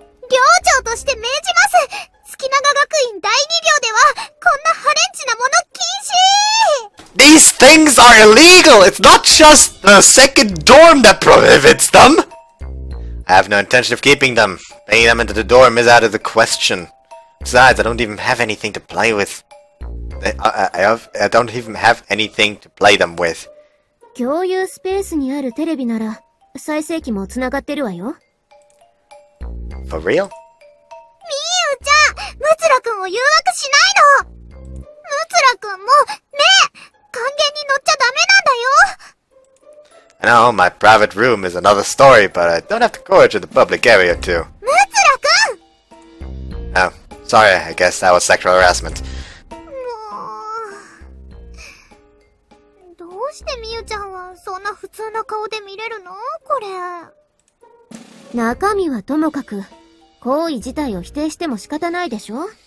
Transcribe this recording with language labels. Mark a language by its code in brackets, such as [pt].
[ja] 寮長として命じます。月永学院第二寮ではこんなハレンチなもの禁止。 [en] These things are illegal. It's not just the second dorm that prohibits them. I have no intention of keeping them. Bringing them into the dorm is out of the question. Besides, I don't even have anything to play with. I don't even have anything to play them with. [ja] 共有スペースにあるテレビなら再生機もつながってるわよ。 [en] For real? [ja] みゆちゃん、ムツラ君を誘惑しないの。ムツラ君もね、還元に乗っちゃダメなんだよ。 [en] I know my private room is another story, but I don't have the courage of the public area to. [ja] ムツラ君。 [en] Sorry, I guess that was sexual harassment. [ja] もう、どうしてミユちゃんはそんな普通な顔で見れるの？これ。中身はともかく、行為自体を否定しても仕方ないでしょ？